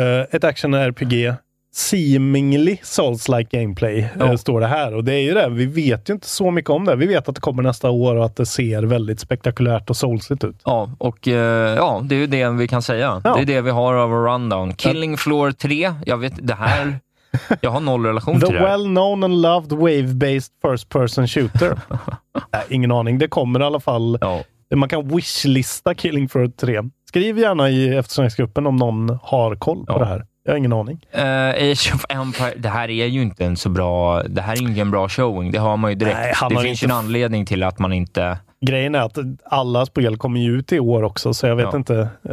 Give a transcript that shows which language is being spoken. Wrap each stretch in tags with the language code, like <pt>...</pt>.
<sv>Ett action-RPG.</sv> <en>Seemingly Souls-like gameplay</en> <sv>står det här. Och det är ju det. Vi vet ju inte så mycket om det. Vi vet att det kommer nästa år och att det ser väldigt spektakulärt och soulsigt ut. Ja, och det är ju det vi kan säga. Ja. Det är det vi har av rundown. Killing Floor 3. Jag vet, det här... Jag har noll relation till det.</sv> <en>The well-known and loved wave-based first-person shooter.</en> <sv>ingen aning. Det kommer i alla fall... Ja. Man kan wishlista Killing Floor 3. Skriv gärna i eftersnacksgruppen om någon har koll på det här. Jag har ingen aning. Age of Empire, det här är ju inte en så bra... Det här är ingen bra showing. Det har man ju direkt. Nej, det finns ju en anledning till att man inte... Grejen är att alla spel kommer ju ut i år också, så jag vet inte.</sv>